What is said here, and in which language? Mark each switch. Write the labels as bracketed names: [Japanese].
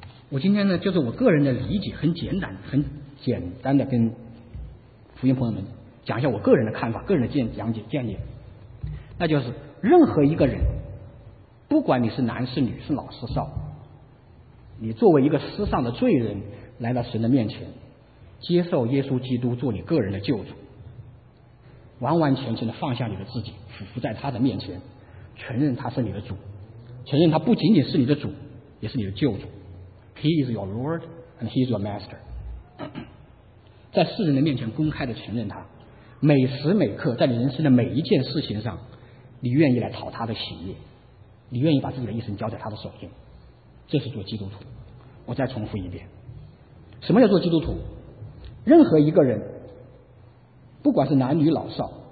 [Chinese] 我今天呢，就是我个人的理解，很简单的跟福音朋友们讲一下我个人的看法，个人的见解，那就是任何一个人，不管你是男是女，是老是少，你作为一个世上的罪人来到神的面前，接受耶稣基督做你个人的救主，完完全全的放下你的自己，俯伏在他的面前，承认他是你的主，承认他不仅仅是你的主，也是你的救主。 [English] He is your Lord and He is your Master。 [Chinese] 在世人的面前公开的承认他，每时每刻在你人生的每一件事情上，你愿意来讨他的喜悦，你愿意把自己的一生交在他的手中，这是做基督徒。我再重复一遍，什么叫做基督徒？任何一个人，不管是男女老少，